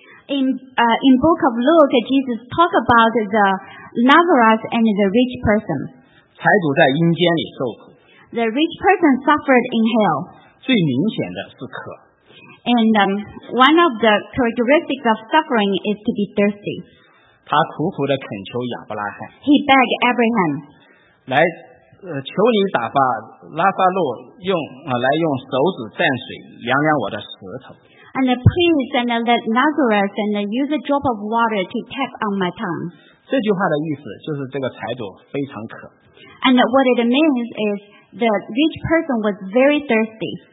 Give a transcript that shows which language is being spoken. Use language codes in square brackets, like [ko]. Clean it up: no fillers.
[en] In Book of Luke, Jesus talked about the Lazarus and the rich person. [zh] 财主在阴间里受苦。 [en] The rich person suffered in hell. [zh] 最明显的是渴。 [en] And one of the characteristics of suffering is to be thirsty. [zh] 他苦苦地恳求亚伯拉罕。 [en] He begged Abraham. [zh] 来求你打发拉撒路来用手指蘸水凉凉我的舌头。 [en] And the priest and the Lazarus and use a drop of water to tap on my tongue. [zh] 这句话的意思就是这个财主非常渴。 [en] And what it means is the rich person was very thirsty.